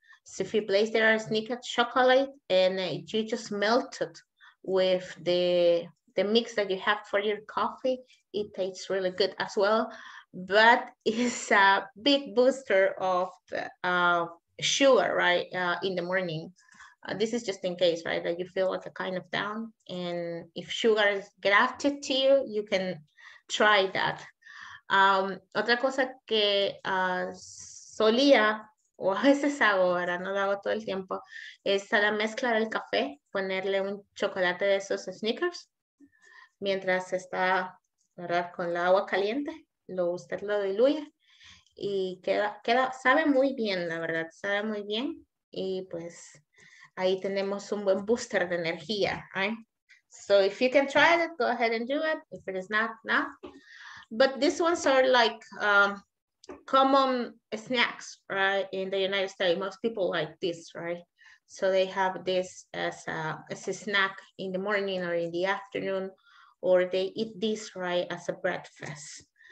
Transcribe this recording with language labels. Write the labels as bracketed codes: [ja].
[en] So if you place there a Snickers chocolate and you just melt it with the mix that you have for your coffee, it tastes really good as well. But it's a big booster of the, sugar, right, in the morning. This is just in case, right, that you feel like a kind of down. And if sugar is grafted to you, you can try that. [es] Otra cosa que solía, o a veces hago, ahora no lo hago todo el tiempo, es a la mezcla del café, ponerle un chocolate de esos Snickers, mientras está, ¿verdad?, con el agua caliente, usted lo diluye, y queda, sabe muy bien, la verdad, sabe muy bien, y pues... Ahí tenemos un buen booster de energía, [en] right? So if you can try it, go ahead and do it. If it is not, no. But these ones are like common snacks, right? In the United States, most people like this, right? So they have this as a snack in the morning or in the afternoon, or they eat this, right, as a breakfast.